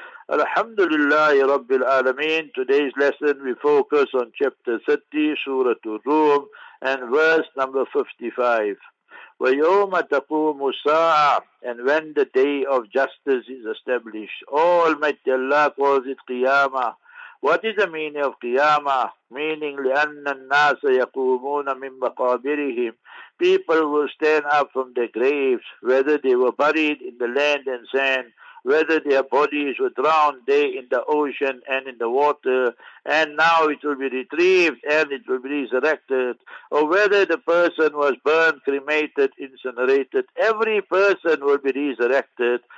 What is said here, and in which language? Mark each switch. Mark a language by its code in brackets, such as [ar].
[ar] Alhamdulillah Rabbil Alameen. [en] Today's lesson we focus on chapter 30, Surah Ar-Rum, and verse number 55. [ar] وَيَوْمَ تَقُومُ السَّاعَةُ, [en] and when the day of justice is established. Almighty Allah calls it Qiyamah. What is the meaning of Qiyamah? Meaning, [ar] لِأَنَّ النَّاسَ يَقُومُونَ مِنْ مَقَابِرِهِمْ. [en] People will stand up from their graves, whether they were buried in the land and sand, whether their bodies were drowned there in the ocean and in the water, and now it will be retrieved and it will be resurrected, or whether the person was burned, cremated, incinerated, every person will be resurrected.